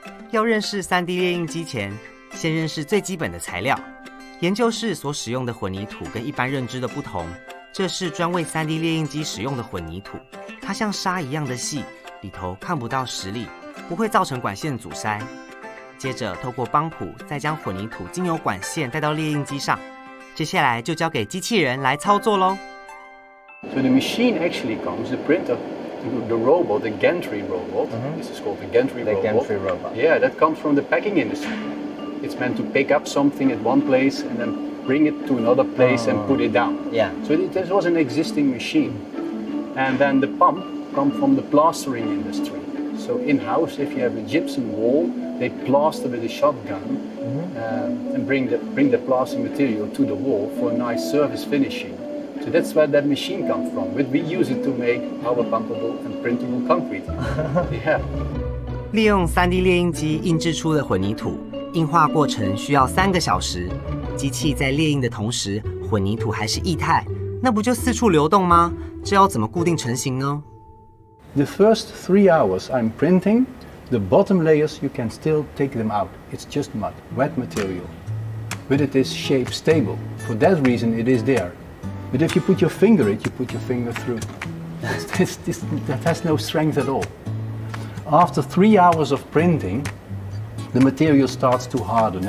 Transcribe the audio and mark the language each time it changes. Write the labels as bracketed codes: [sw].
[zh] 要认识 3D 列印机前，先认识最基本的材料，研究室所使用的混凝土跟一般认知的不同，这是专为 3D 列印机使用的混凝土，它像沙一样的细，里头看不到实粒，不会造成管线阻塞。接着透过帮浦再将混凝土经由管线带到列印机上，接下来就交给机器人来操作咯。 [en] So the machine actually comes, the printer, the robot, the gantry robot, this is called the gantry robot. Yeah, that comes from the packing industry. It's meant to pick up something at one place and then bring it to another place and put it down. Yeah. So this was an existing machine. And then the pump,come from the plastering industry. So in-house, if you have a gypsum wall, they plaster with a shotgun and bring the plastering material to the wall for a nice surface finishing. So that's where that machine comes from. We use it to make our pumpable and printable concrete. Yeah. [zh] 利用 3D 列印机印制出的混凝土，硬化过程需要3个小时。机器在列印的同时，混凝土还是液态，那不就四处流动吗？这要怎么固定成型呢？ [en] The first 3 hours I'm printing, the bottom layers, you can still take them out. It's just mud, wet material. But it is shape stable. For that reason, it is there. But if you put your finger in it, you put your finger through. That has no strength at all. After 3 hours of printing, the material starts to harden.